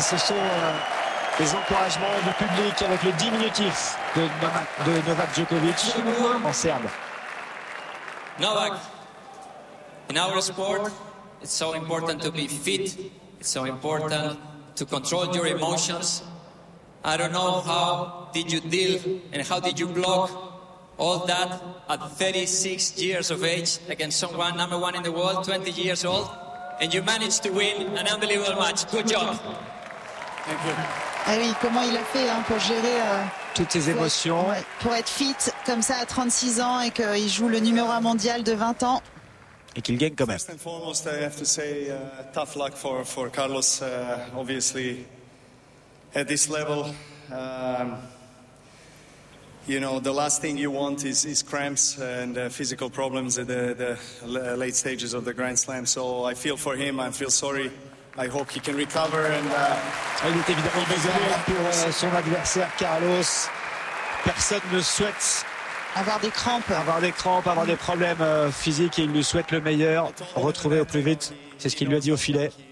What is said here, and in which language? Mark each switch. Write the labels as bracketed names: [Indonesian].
[French] ce sont les encouragements du public avec le diminutif de Novak Djokovic en serbe. Novak. [English] In our sport, it's so important to be fit. It's so important to control your emotions. I don't know how did you deal and how did you block all that at 36 years of age against someone number one in the world, 20 years old, and you managed to win an unbelievable match. Good job. Thank you. [French] Ah oui, comment il a fait hein, pour gérer toutes ses émotions pour être fit comme ça à 36 ans et qu'il joue le numéro un mondial de 20 ans. Et qu'il gagne quand même. [English] First and foremost, I have to say tough luck for Carlos. Obviously, at this level, you know, the last thing you want is cramps and physical problems at the late stages of the Grand Slam. So I feel for him. I feel sorry. I hope he can recover. And [French] il est évidemment désolé pour son adversaire Carlos. Personne ne souhaite avoir des crampes, avoir des problèmes physiques, et il lui souhaite le meilleur, retrouver au plus vite, c'est ce qu'il lui a dit au filet.